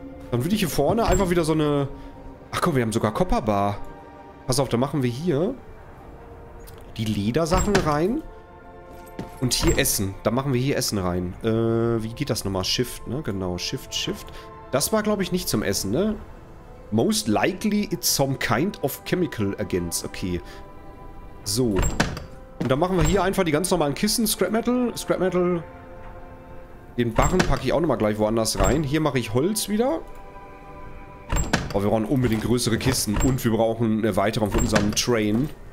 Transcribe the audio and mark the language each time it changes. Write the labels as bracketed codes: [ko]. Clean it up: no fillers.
[de] Dann würde ich hier vorne einfach wieder so eine... Ach komm, wir haben sogar Copperbar. Pass auf, dann machen wir hier die Ledersachen rein. Und hier Essen. Dann machen wir hier Essen rein. Wie geht das nochmal? Shift, ne? Genau, Shift, Shift. Das war, glaube ich, nicht zum Essen, ne? [en] Most likely it's some kind of chemical against. Okay. So. [de] Und dann machen wir hier einfach die ganz normalen Kissen. Scrap Metal, Scrap Metal. Den Barren packe ich auch nochmal gleich woanders rein. Hier mache ich Holz wieder. Aber wir brauchen unbedingt größere Kisten. Und wir brauchen eine Erweiterung von unserem Train.